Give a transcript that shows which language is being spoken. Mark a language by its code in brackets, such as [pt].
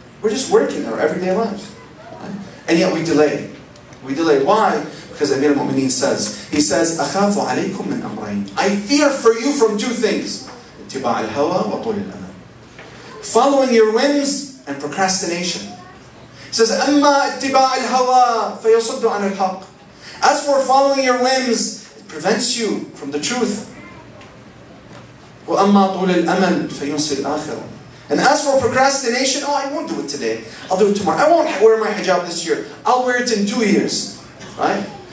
[en] We're just working our everyday lives. Right? And yet we delay. We delay. Why? Because Amir al-Mu'mineen says, he says, [ar] أَخَافُ عَلَيْكُم مِّنْ أَمْرَيْنِ. [en] I fear for you from two things. [ar] اتِبَاعَ الْهَوَى وَطُولِ الْأَمَلِ. [en] Following your whims and procrastination. He says, [ar] أَمَّا اتِبَاعَ الْهَوَى فَيَصُدُّ عَنِ الْحَقِّ. [en] As for following your whims, it prevents you from the truth. [ar] وَأَمَّا طُولِ الْأَمَلِ فَيُنْسِي الْآخِرَةِ. [en] And as for procrastination, oh, I won't do it today. I'll do it tomorrow. I won't wear my hijab this year. I'll wear it in 2 years. Right?